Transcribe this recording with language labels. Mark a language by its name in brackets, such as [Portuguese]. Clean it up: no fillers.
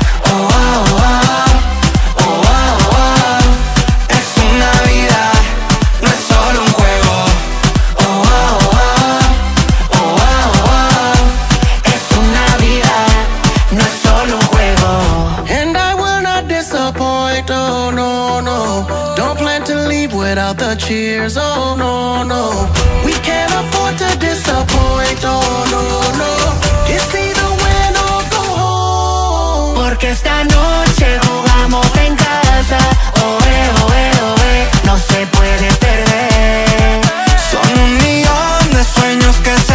[Spanish] Oh, oh, oh, oh, oh, oh, oh. Es una vida, no es solo un juego. Oh, oh, oh, oh, oh, oh, oh, oh. Es una vida, no es solo un juego. [English] And I will not disappoint, oh no, no. Don't plan to leave without the cheers, oh no, no. We can't afford to disappoint, oh no, no. It's either win or go home. [Spanish] Porque esta noche jugamos en casa. Oh, eh, oh, eh, oh, eh. No se puede perder. Son un millón de sueños que